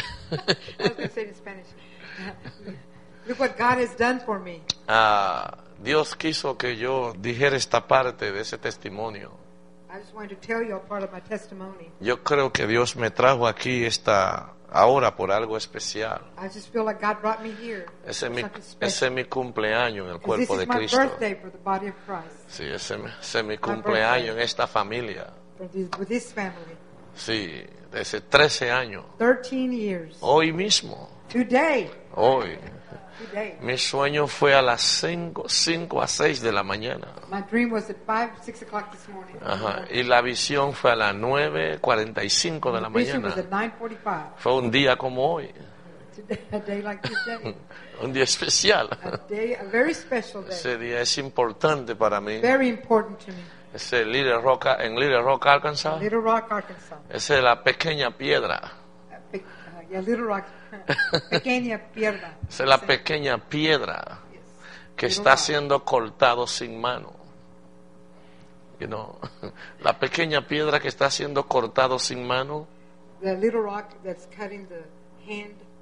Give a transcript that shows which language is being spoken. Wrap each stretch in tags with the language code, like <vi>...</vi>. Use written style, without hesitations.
<en>I was going to say in Spanish. Look what God has done for me.</en> <es>Dios quiso que yo dijera esta parte de ese testimonio.</es> <en>I just wanted to tell you a part of my testimony.</en> <es>Yo creo que Dios me trajo aquí esta ahora por algo especial.</es> <en>I just feel like God brought me here.</en> <es>Ese es mi cumpleaños en el cuerpo de Cristo.</es> <en>This is my birthday for the body of Christ.</en> <es>Sí, ese es mi cumpleaños en esta familia.</es> <en>With this family.</en> <es>Sí, desde 13 años.</es> <en>13 years.</en> <es>Hoy mismo.</es> <en>Today.</en> <es>Hoy.</es> <en>Today.</en> <es>Mi sueño fue a las 5 a 6 de la mañana.</es> <en>My dream was at 5-6 o'clock this morning. Ajá.</en> <es>Y la visión fue a las 9:45 de la mañana.</es> <en>The vision was at 9:45.</en> <es>Fue un día como hoy.</es> <en>Today, a day like today.</en> <es>Un día especial.</es> <en>A very special day.</en> <es>Ese día es importante para mí.</es> <en>Very important to me.</en> <es>Ese Little Rock, en Little Rock, Arkansas.</es> <en>Little Rock, Arkansas.</en> <es>Esa es la pequeña piedra.</es> <en>Little Rock.</en> <es>Pequeña piedra. Es la pequeña piedra.</es> <en>Yes.</en> <es>que está siendo cortado sin mano. You know, la pequeña piedra que está siendo cortado sin mano.</es> <en>The little rock that's cutting the hand.</en>